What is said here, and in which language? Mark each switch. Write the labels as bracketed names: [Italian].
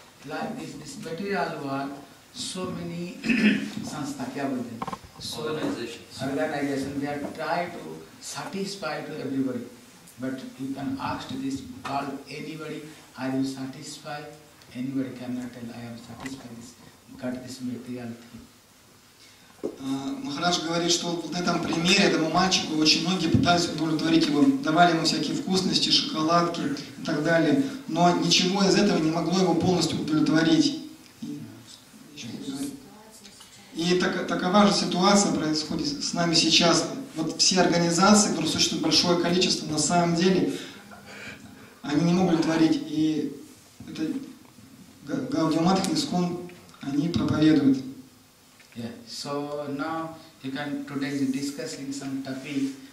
[English] Like this material world, so many [Hindi] sanstha kya bolte, [English] organizations, they are trying to satisfy to everybody. But you can ask this God, anybody, are you satisfied? Anybody cannot tell, I am satisfied, this, got this material thing. [Russian] Махарадж говорит, что вот в этом примере этому мальчику очень многие пытались удовлетворить его, давали ему всякие вкусности, шоколадки и так далее, но ничего из этого не могло его полностью удовлетворить. И такова же ситуация происходит с нами сейчас. Вот все организации, которые существуют большое количество, на самом деле, они не могут удовлетворить. И это Гаудия Матх и Искон, они проповедуют. [English] Yeah. So now you can today is discussing some topic.